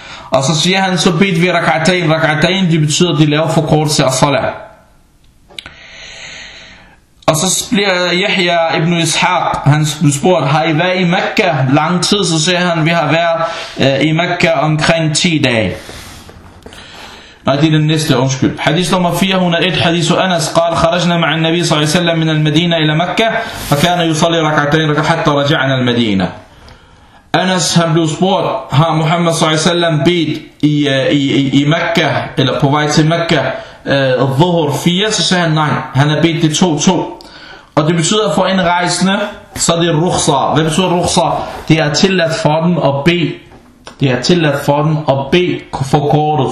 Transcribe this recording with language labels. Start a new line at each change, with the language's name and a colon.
Danish: Og så siger han, så bedt vi rak'atayn. Rak'atayn, det betyder, de laver forkortelse af salat. Og så bliver Yahya ibn Ishaq, han spurgte, har I været i Mekka lang tid? Så siger han, vi har været i Mekka omkring 10 dage. Nej, det er den næste, undskyld. Hadith nummer 401, hadith af Anas,
Arabic: قال, خرجنا مع النبي صلى الله عليه وسلم من المدينة إلى مكة, فكان يصلي ركعتين حتى رجعنا المدينة.
Danish: Anas, han blev spurgt, har Muhammad صلى الله عليه وسلم bedt i Mekka, eller på vej til Mekka, dhuhr 4, så sagde han nej, han har bedt det 2-2. Og det betyder for en rejsende, så det er rukhsa. Hvad betyder rukhsa? Det er tilladt for dem at bede. Det er tilladt for dem at bede forkortet.